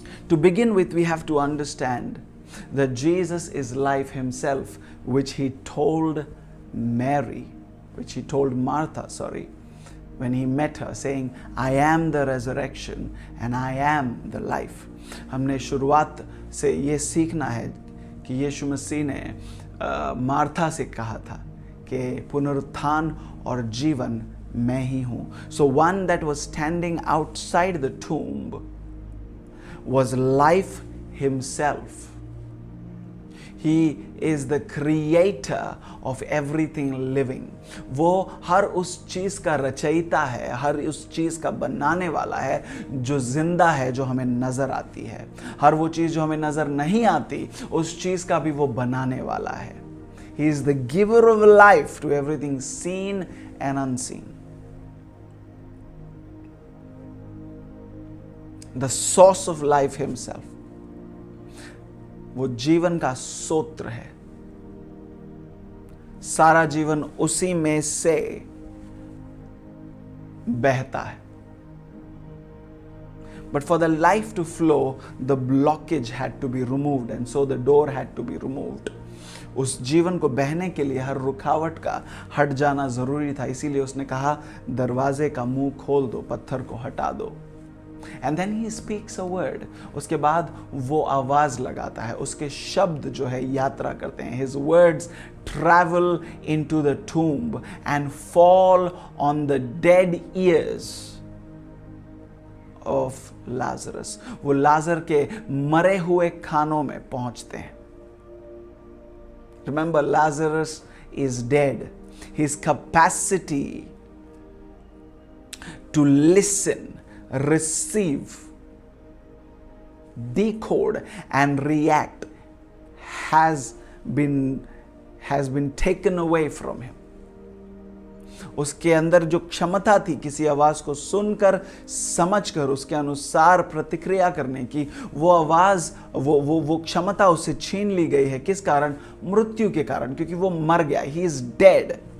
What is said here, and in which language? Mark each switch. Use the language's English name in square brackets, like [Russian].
[English] To begin with, we have to understand that Jesus is life himself, which he told Martha, when he met her, saying, I am the resurrection and I am the life. [Hindi] हमने शुरुआत से ये सीखना है कि यीशु मसीह ने Martha से कहा था कि पुनरुत्थान और जीवन मैं ही हूँ। [English] So one that was standing outside the tomb was life himself. He is the creator of everything living. [Hindi] वो हर उस चीज का रचयिता है, हर उस चीज का बनाने वाला है जो जिंदा है, जो हमें नजर आती है। हर वो चीज जो हमें नजर नहीं आती, उस चीज का भी वो बनाने वाला है। [English] He is the giver of life to everything seen and unseen. The source of life himself. [Hindi] वो जीवन का सोत्र है। सारा जीवन उसी में से बहता है। [English] But for the life to flow, the blockage had to be removed, and so the door had to be removed. [Hindi] उस जीवन को बहने के लिए हर रुकावट का हट जाना जरूरी था। इसीलिए उसने कहा, दरवाजे का मुंह खोल दो, पत्थर को हटा दो। [English] And then he speaks a word. [Hindi] उसके बाद वो आवाज लगाता है, उसके शब्द जो है यात्रा करते हैं। [English] His words travel into the tomb and fall on the dead ears of Lazarus. [Hindi] वो लाजर के मरे हुए कानों में पहुंचते हैं। [English] Remember, Lazarus is dead. His capacity to listen, receive, decode and react has been taken away from him. [Hindi] उसके अंदर जो क्षमता थी किसी आवाज को सुनकर, समझकर, उसके अनुसार प्रतिक्रिया करने की, वो आवाज, वो क्षमता उसे छीन ली गई है। किस कारण? मृत्यु के कारण, क्योंकि वो मर गया। [English] He is dead.